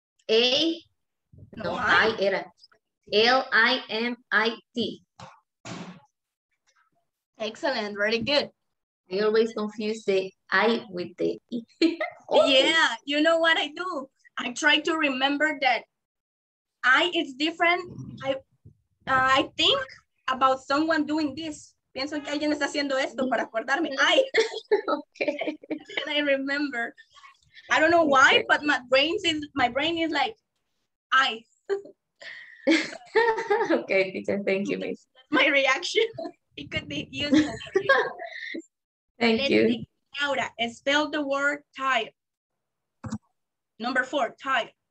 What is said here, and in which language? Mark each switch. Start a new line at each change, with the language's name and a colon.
Spanish: A, no, I era. L-I-M-I-T.
English: Excellent, very good. I always confuse the I with the E. Yeah, you know what I do? I try to remember that I is different. I think about someone doing this.
Spanish: Pienso que alguien está haciendo esto para acordarme.
English: I. Okay. And I remember. I don't know why, but my brain is like I. Okay, teacher, thank you, miss. My reaction. It could be useful. Thank you. Laura, spell the word tire. Number four, tire.